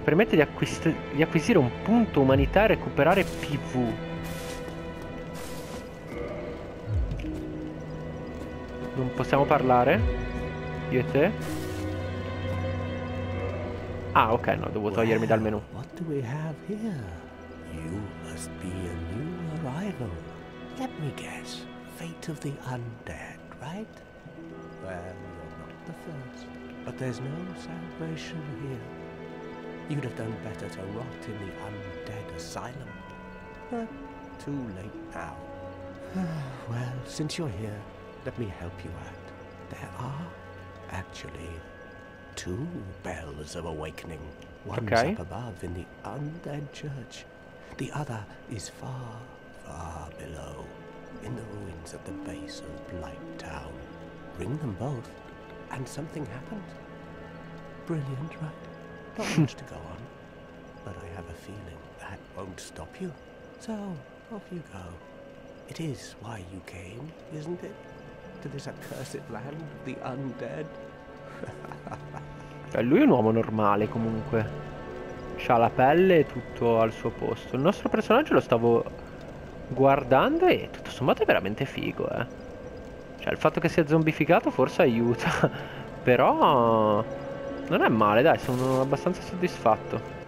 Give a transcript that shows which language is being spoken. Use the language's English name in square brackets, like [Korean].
[Italian] Permette di acquisire un punto umanità e recuperare PV. Non possiamo parlare? Io e te? Ah, ok, no, devo togliermi dal menu. [English] Well, what do we have here? You must be a new arrival. Let me guess. Fate of the undead, right? Well, you're not the first. But there's no salvation here. You'd have done better to rot in the undead asylum. But too late now. Well, since you're here, let me help you out. There are, actually, two bells of awakening. One's up [Italian] Ok. [English] above in the undead church. The other is far, far below, in the ruins at the base of Blight Town. Ring them both, and something happens. Brilliant, right? Not much to go on, but I have a feeling that won't stop you. So, off you go. It is why you came, isn't it? To this accursed land of the undead. [Italian] Cioè, lui è un uomo normale comunque. C'ha la pelle e tutto al suo posto. Il nostro personaggio lo stavo guardando e tutto sommato è veramente figo, eh. Cioè, il fatto che sia zombificato forse aiuta. Però non è male, dai, sono abbastanza soddisfatto.